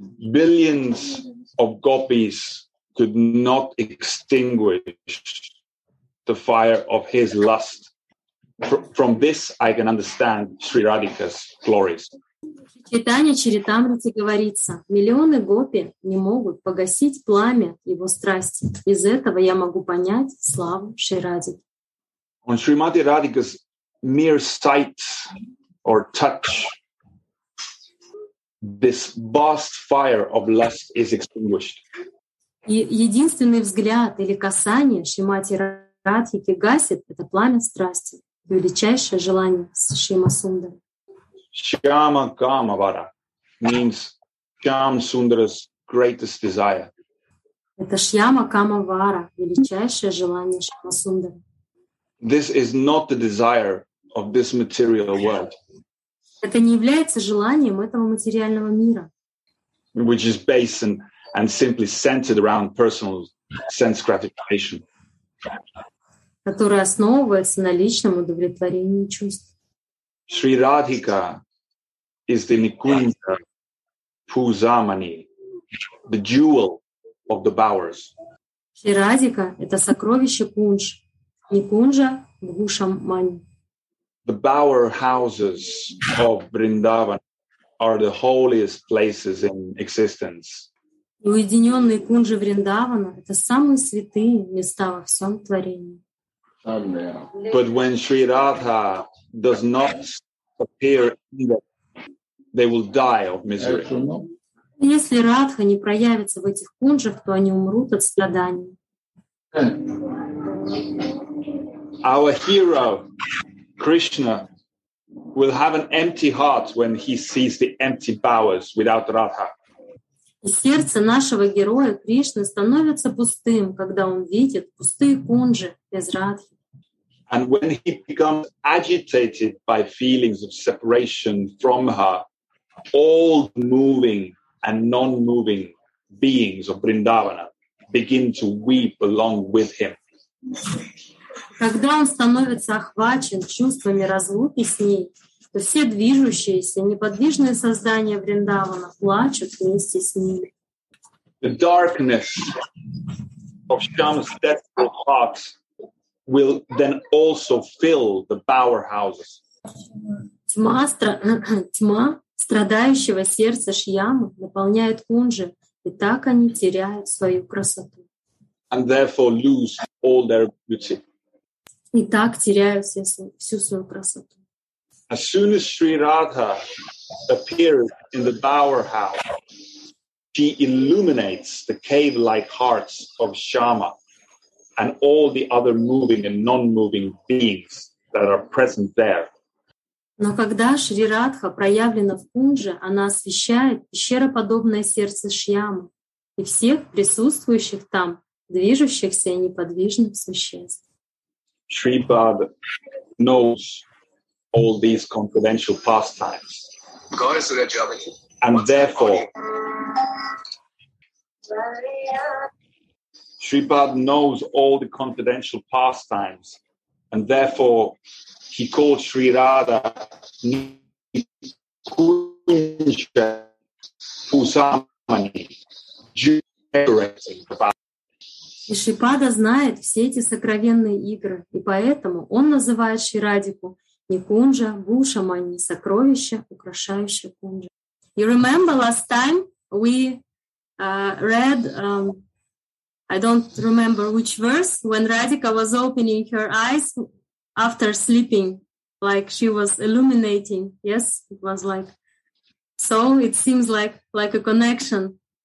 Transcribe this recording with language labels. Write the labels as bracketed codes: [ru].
[en] Billions of gopis could not extinguish the fire of his lust. From this, I can understand Sri Radhika's glories. [ru] Читание Чаритамриты говорится, миллионы гопи не могут погасить пламя его страсти. Из этого я могу понять славу Шри Радхи. [en] On Srimati Radhika's mere sight or touch, this vast fire of lust is extinguished. [ru] Единственный взгляд или касание Шримати Радхики гасит это пламя страсти, величайшее желание Шрима Сундара. [en] Shyama Kamavara means Shyam Sundara's greatest desire. [ru] Это Shyama Kamavara, величайшее желание Шрима Сундара. [en] This is not the desire of this material world. [ru] Это не является желанием этого материального мира. [en] Which is based and simply centered around personal sense gratification. [ru] Которая основывается на личном удовлетворении чувств. [en] Shri Radhika is the Nikunja Puzamani, the jewel of the bowers. [ru] Shri Radhika это сокровище Кунж, Никунжа Бхушамани. [en] The bower houses of Vrindavan are the holiest places in existence. [ru] Уединенные кунжи Вриндавана это самые святые места во всем творении. [en] But when Sri Radha does not appear in them, they will die of misery. [ru] Если Радха не проявится в этих кунжах, то они умрут от страданий. [en] Our hero Krishna will have an empty heart when he sees the empty bowers without Radha. [ru] И сердце нашего героя Кришны становится пустым, когда он видит пустые кунжи без Радхи. [en] And when he becomes agitated by feelings of separation from her, all moving and non-moving beings of Vrindavana begin to weep along with him. [ru] Когда он становится охвачен чувствами разлуки с ней, то все движущиеся, неподвижные создания Вриндавана плачут вместе с ним. [en] The darkness of Shyama's deathful heart will then also fill the bower houses. [ru] Тьма страдающего сердца Шьямы наполняет кунжи, и так они теряют свою красоту. [en] And therefore lose all their beauty. [ru] И так теряют всю свою красоту. [en] As soon as Sri Radha appears in the bower house, she illuminates the cave-like hearts of Shyama and all the other moving and non-moving beings that are present there. [ru] Но когда Шри Радха проявлена в кунже, она освещает пещероподобное сердце Шьямы и всех присутствующих там, движущихся и неподвижных существ. [en] Shri Bhad knows all these confidential pastimes. Goddess Rajavani. And therefore, Shri Bhad knows all the confidential pastimes, and therefore he called Shri Radha Nikunja Puzamani, generating the bowers. [ru] И Шипада знает все эти сокровенные игры, и поэтому он называет Ширадику Никунжа Бушамани, сокровище, украшающее кунжа. [en] You remember last time we read, I don't remember which verse, when Radhika was opening her eyes after sleeping, like she was illuminating. Yes, it was like, so it seems like a connection.